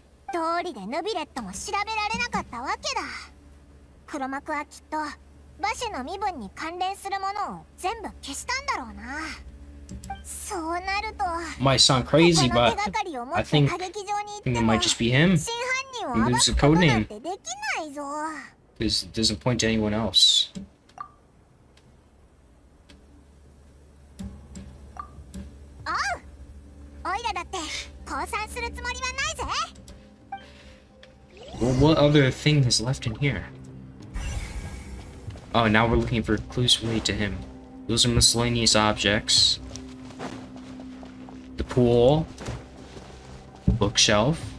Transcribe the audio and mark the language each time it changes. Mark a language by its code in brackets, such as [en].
[ja] 通りでヌビレットも調べられなかったわけだ。黒幕はきっとバシェの身分に関連するものを全部消したんだろうな。そうなると、 [en] Might sound crazy, but I think it might just be him. [ja] 真犯人を暴くことなんてできないぞ。 [en] This doesn't point to anyone else. [ja] オイラだって降参するつもりはないぜ。 [en] Well, what other thing is left in here? Oh, now we're looking for clues related to him. Those are miscellaneous objects. The pool. Bookshelf.